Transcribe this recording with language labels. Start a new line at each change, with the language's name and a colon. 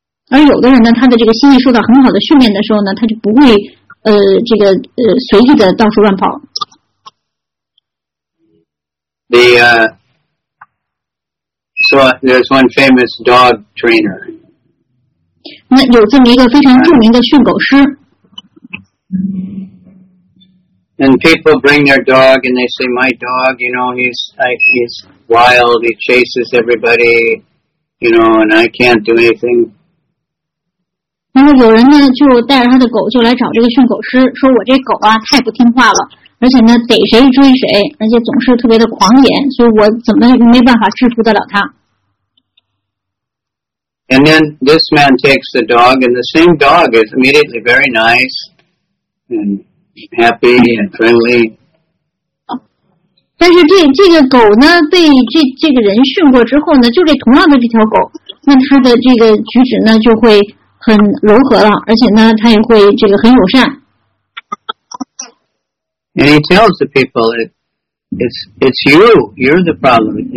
Chinese: 而有的人呢，他的这个心意受到很好的训练的时候呢，他就不会随意的到处乱跑。
English: So there's one famous dog trainer.
Chinese: 那有这么一个非常著名的训狗师。
English: And people bring their dog and they say, my dog, you know, he's wild, he chases everybody, you know, and I can't do anything.
Chinese: 然后有人呢就带着他的狗就来找这个训狗师，说我这狗啊太不听话了，而且呢逮谁追谁，而且总是特别的狂野，所以我怎么没办法制服得了他。
English: And then this man takes the dog, and the same dog is immediately very nice and happy and friendly.
Chinese: 但是这个狗呢，被这个人训过之后呢，就这同样的这条狗，那它的这个举止呢就会很柔和了，而且呢，它也会这个很友善。
English: And he tells the people, it's you, you're the problem.